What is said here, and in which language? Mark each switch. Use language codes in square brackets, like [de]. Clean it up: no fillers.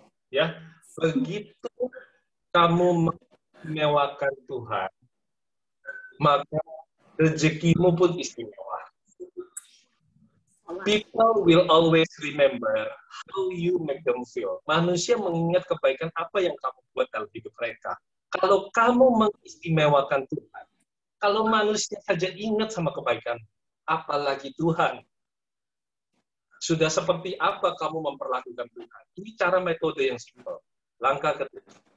[id] Ya. Begitu kamu mewakilkan Tuhan, maka rezekimu pun istimewa. [en] People will always remember how you make them feel. [id] Manusia mengingat kebaikan apa yang kamu buat dalam hidup mereka. Kalau kamu mengistimewakan Tuhan, kalau manusia saja ingat sama kebaikan, apalagi Tuhan. Sudah seperti apa kamu memperlakukan Tuhan. Ini cara metode yang simple. Langkah ketiga.